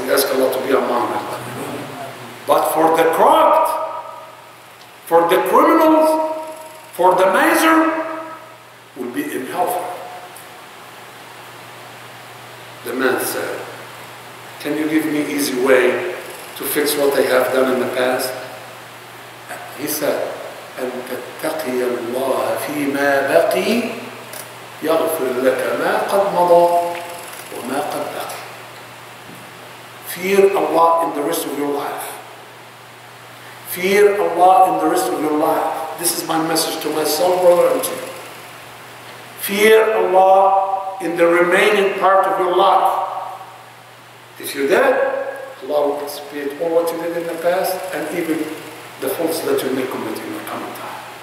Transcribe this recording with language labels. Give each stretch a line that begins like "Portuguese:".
English: We ask Allah to be among them. But for the corrupt, for the criminals, for the miser, will be in hellfire. The man said, can you give me an easy way to fix what I have done in the past? He said,
Arabic: أَن تَتَّقِيَ اللَّهَ فِي مَا بَقِي يَغْفِرْ لَكَ مَا قَدْ مَضَى وَمَا قَدْ بَقِي
English: Fear Allah in the rest of your life. Fear Allah in the rest of your life. This is my message to myself, brother, and to you. Fear Allah in the remaining part of your life. If you're dead, Allah will anticipate all what you did in the past and even the faults that you may commit in the coming time.